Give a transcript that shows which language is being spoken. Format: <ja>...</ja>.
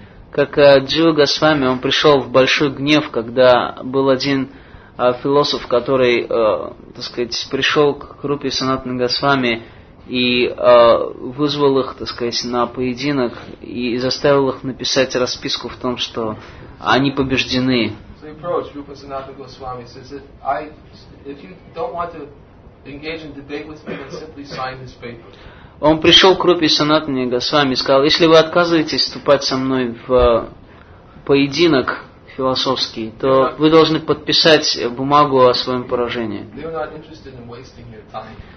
<ru>Как Джива Госвами, он пришел в большой гнев, когда был один философ, который, пришел к Рупе Санатана Госвами и вызвал их, на поединок и заставил их написать расписку в том, что они побеждены.</ru> <en>Approach Rupa Sanatana Goswami says that if you don't want to engage in debate with me, then simply sign this paper.</en> <ru>Он пришел к Рупе Санатане Госвами и сказал, если вы отказываетесь вступать со мной в поединок философский, то вы должны подписать бумагу о своем поражении.</ru> <en>They're not interested in wasting your time.</en>